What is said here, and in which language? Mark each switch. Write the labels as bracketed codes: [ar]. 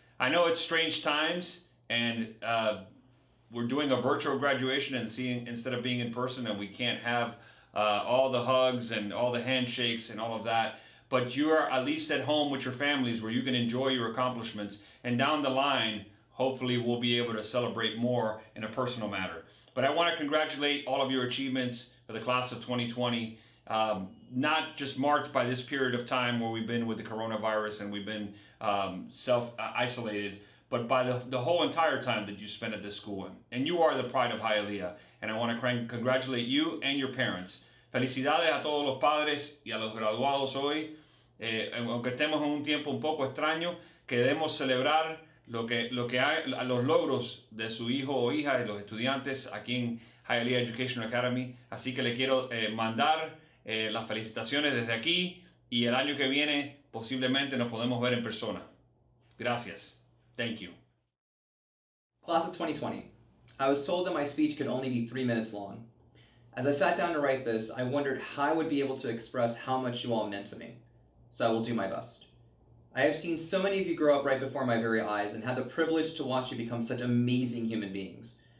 [en] I know it's strange times, and we're doing a virtual graduation and seeing instead of being in person, and we can't have all the hugs and all the handshakes and all of that, but you are at least at home with your families where you can enjoy your accomplishments, and down the line, hopefully we'll be able to celebrate more in a personal matter. But I want to congratulate all of your achievements for the class of 2020, not just marked by this period of time where we've been with the coronavirus and we've been self-isolated, but by the whole entire time that you spent at this school. And you are the pride of Hialeah, and I want to congratulate you and your parents. [es] Felicidades a todos los padres y a los graduados hoy. Aunque estemos en un tiempo un poco extraño, queremos celebrar los logros de su hijo o hija y los estudiantes aquí en Hialeah Educational Academy. Así que le quiero mandar las felicitaciones desde aquí, y el año que viene posiblemente nos podemos ver en persona. Gracias. [en] Thank you. Class of 2020, I was told that my speech could only be 3 minutes long. As I sat down to write this, I wondered how I would be able to express how much you all meant to me. So I will do my best. I have seen so many of you grow up right before my very eyes and had the privilege to watch you become such amazing human beings.